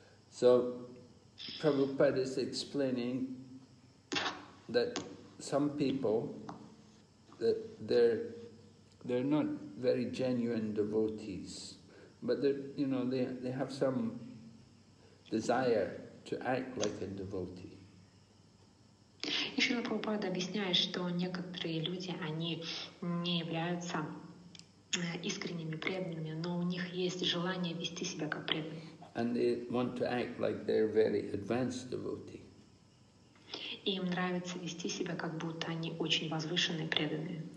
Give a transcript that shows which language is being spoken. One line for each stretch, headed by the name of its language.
English: So, Prabhupada is explaining that some people, that they're not very genuine devotees. But they have some desire to act like a devotee.
Russian: И Шрила Прабхупада объясняет, что некоторые люди, они не являются искренними преданными, но у них есть желание вести себя как преданные.
English: And they want to act like they're very advanced devotee.
Russian: И им нравится вести себя, как будто они очень возвышенные преданные.